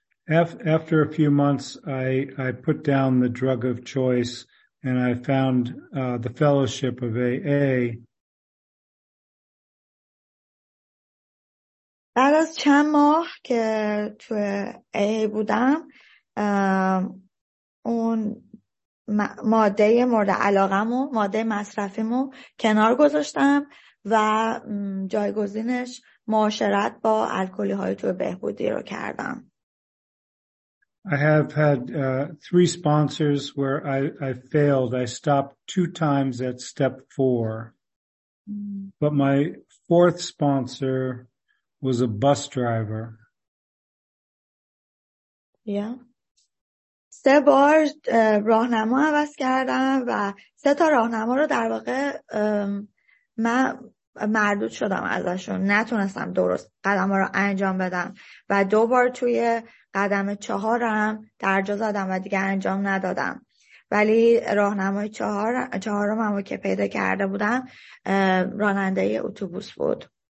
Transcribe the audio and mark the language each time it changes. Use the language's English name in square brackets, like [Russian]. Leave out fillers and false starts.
[English] After a few months I put down the drug of choice and I found the fellowship of AA. [Persian] بعد از چند ماه که تو AA بودم اون ماده مورد علاقمو، ماده مصرفیمو کنار گذاشتم و جایگزینش معاشرت با الکلی های تو بهبودی رو کردم. [English] I have had three sponsors where I failed. I stopped two times at step 4. But my fourth sponsor was a bus driver. Yeah. [Persian] سه بار راهنما عوض کردم و سه تا راهنما رو در واقع من مردود شدم ازشون، نتونستم درست قدم رو انجام بدم و دو بار توی قدم چهارم درجا زدم و دیگه انجام ندادم، ولی راهنمای چهارم هم که پیدا کرده بودم راننده اتوبوس بود.